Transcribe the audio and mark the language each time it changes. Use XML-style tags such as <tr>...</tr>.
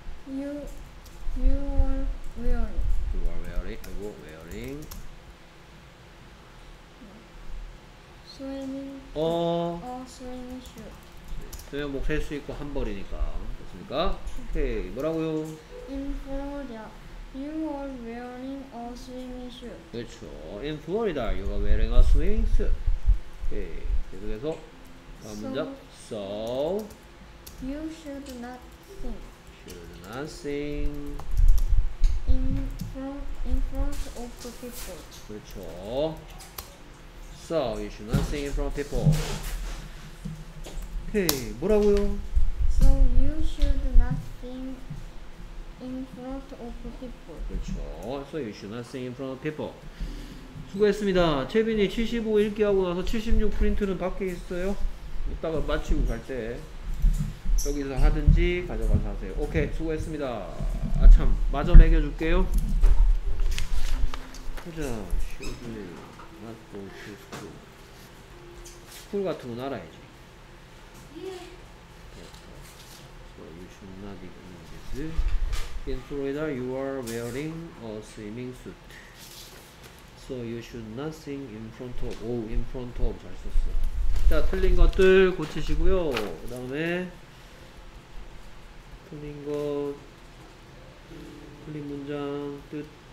<en>You are wearing. You are wearing. 아이고, wearing. Swimming. 어. Swimming shoes.</en> <ko>수영복 셀 수 있고 한벌이니까 됐습니까? 오케이 뭐라고요?</ko> <en>In Florida, you are wearing a swimming suit.</en> <ko>그렇죠.</ko> <en>In Florida, you are wearing a swimming suit.</en> <ko>오케이 계속해서 다음 문장.</ko> <en>So, you should not sing. Should not sing. In front of people.</en> <ko>그렇죠.</ko> <en>So, you should not sing in front of people.</en> <ko>오케이 뭐라고요?</ko> <en>So you should not sing in front of people.</en> <ko>그렇죠.</ko> <en>So you should not sing in front of people.</en> <ko>수고했습니다. 채빈이 75 읽기 하고 나서 76 프린트는 밖에 있어요? 이따가 마치고 갈 때 여기서 하든지 가져가서 하세요. 오케이 수고했습니다. 아 참 마저 매겨줄게요. 보자.</ko> <en>Should not go to school.</en> <ko>스쿨 같은 건 알아야지.</ko> <en>So you should not even use this. In Florida, you are wearing a swimming suit. So you should not sing in front of. Oh, in front of.</en> <ko>잘 썼어. 자, 틀린 것들 고치시고요. 그 다음에 틀린 것, 틀린 문장 뜻.</ko>